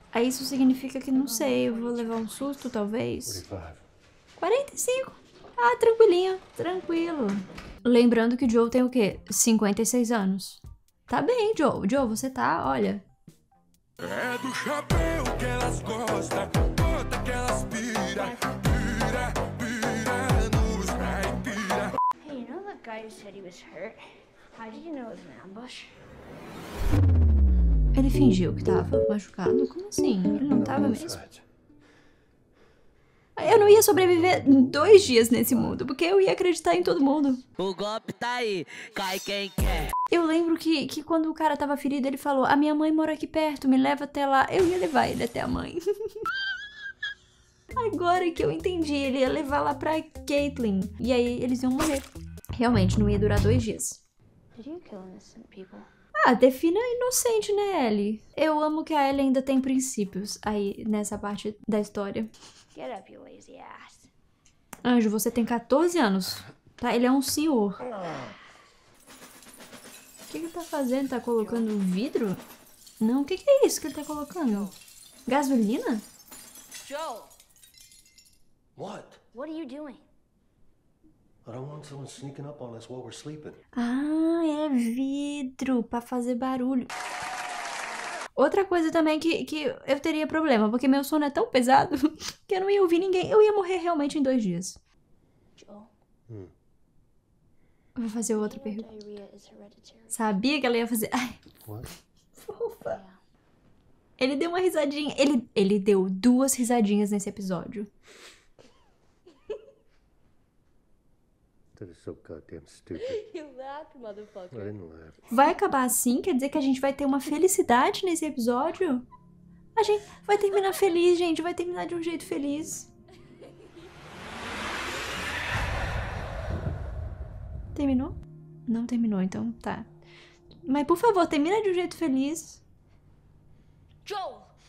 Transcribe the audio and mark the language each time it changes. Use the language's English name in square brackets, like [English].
[Portuguese] Aí isso significa que, não sei, eu vou levar um susto, talvez. 45? Ah, tranquilinho. Tranquilo. Lembrando que o Joe tem o quê? 56 anos. Tá bem, Joe. Joe, você tá, olha. É do chapéu que elas gostam, bota que elas pira, pira, pira, nos caipira. [English] Hey, you know that guy who said he was hurt? How did you know it was an ambush? [Portuguese] Ele fingiu que tava machucado? Como assim? Ele não tava mesmo? Eu não ia sobreviver 2 dias nesse mundo, porque eu ia acreditar em todo mundo. O golpe tá aí, cai quem quer. Eu lembro que quando o cara tava ferido, ele falou: a minha mãe mora aqui perto, me leva até lá. Eu ia levar ele até a mãe. Agora que eu entendi, ele ia levar lá pra Caitlyn. E aí eles iam morrer. Realmente, não ia durar 2 dias. Ah, defina inocente, né, Ellie? Eu amo que a Ellie ainda tem princípios aí nessa parte da história. [English] Get up, you lazy ass. [Portuguese] Anjo, você tem 14 anos, tá? Ele é um senhor. O que ele tá fazendo? Tá colocando vidro? Não, o que é isso que ele tá colocando? Gasolina? [English] Joe! What? What are you doing? I don't want someone sneaking up on us while we're sleeping. [Portuguese] Ah, é vidro pra fazer barulho. Outra coisa também que eu teria problema, porque meu sono é tão pesado que eu não ia ouvir ninguém. Eu ia morrer realmente em 2 dias. Joe. Vou fazer outra pergunta. Sabia que ela ia fazer... Ai. Fofa. Ele deu uma risadinha. Ele deu 2 risadinhas nesse episódio. [English] That is so goddamn stupid. You laughed, motherfucker. I didn't laugh. [Portuguese] Vai acabar assim? Quer dizer que a gente vai ter uma felicidade nesse episódio? A gente vai terminar feliz, gente. Vai terminar de um jeito feliz. Terminou? Não terminou, então tá. Mas por favor, termina de um jeito feliz. Joe!